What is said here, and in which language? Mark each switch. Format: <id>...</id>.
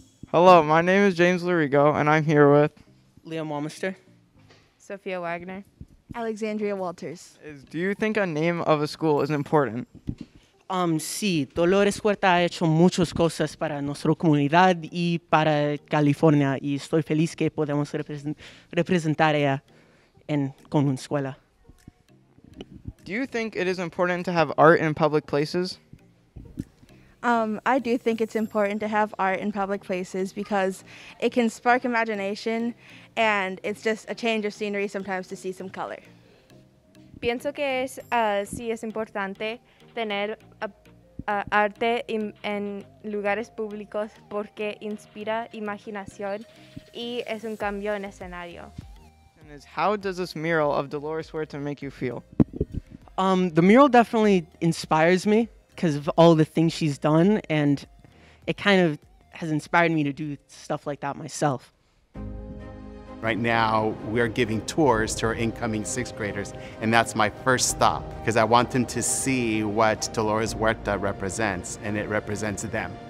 <en>Hello, my name is James Larigo, and I'm here with Liam Walmister, Sophia Wagner, Alexandria Walters. Do you think a name of a school is important?</en> <es>Sí, Dolores Huerta ha hecho muchas cosas para nuestra comunidad y para California, y estoy feliz que podemos representar ella con una escuela.</es> <en>Do you think it is important to have art in public places? I do think it's important to have art in public places because it can spark imagination, and it's just a change of scenery sometimes to see some color.</en> <es>Pienso que es sí es importante tener arte en lugares públicos porque inspira imaginación y es un cambio en escenario.</es> <en>How does this mural of Dolores Huerta make you feel? The mural definitely inspires me because of all the things she's done, and it kind of has inspired me to do stuff like that myself. Right now, we're giving tours to our incoming sixth graders, and that's my first stop because I want them to see what Dolores Huerta represents, and it represents them.</en>